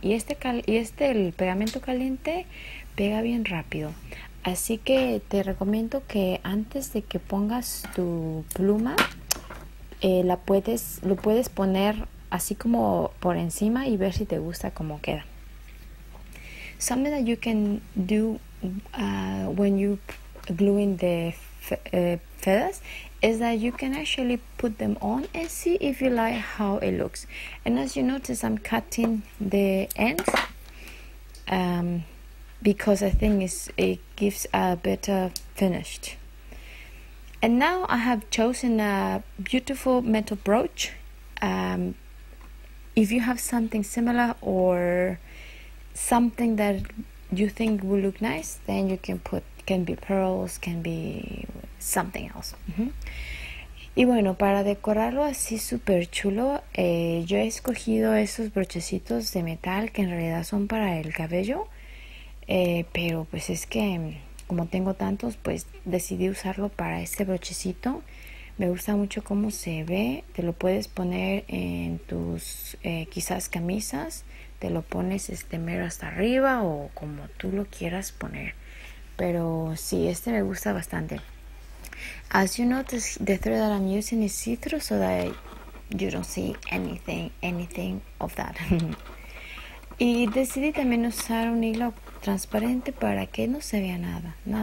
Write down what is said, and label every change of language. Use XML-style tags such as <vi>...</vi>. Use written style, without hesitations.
<es>Y este el pegamento caliente pega bien rápido. Así que te recomiendo que antes de que pongas tu pluma, lo puedes poner así como por encima y ver si te gusta cómo queda.</es> <en>Something that you can do when you glue in the feathers is that you can actually put them on and see if you like how it looks. And as you notice, I'm cutting the ends because I think it gives a better finish. And now I have chosen a beautiful metal brooch. If you have something similar or something that you think will look nice, then you can put, can be pearls, can be something else.</en> <es>Y bueno, para decorarlo así súper chulo, yo he escogido esos brochecitos de metal que en realidad son para el cabello, pero pues es que como tengo tantos, pues decidí usarlo para este brochecito. Me gusta mucho cómo se ve. Te lo puedes poner en tus quizás camisas, te lo pones mero hasta arriba o como tú lo quieras poner. Pero sí, este me gusta bastante.</es> <en>As you notice, the thread that I'm using is see-through so that you don't see anything of that.</en> <es>Y decidí también usar un hilo transparente para que no se vea nada.</es>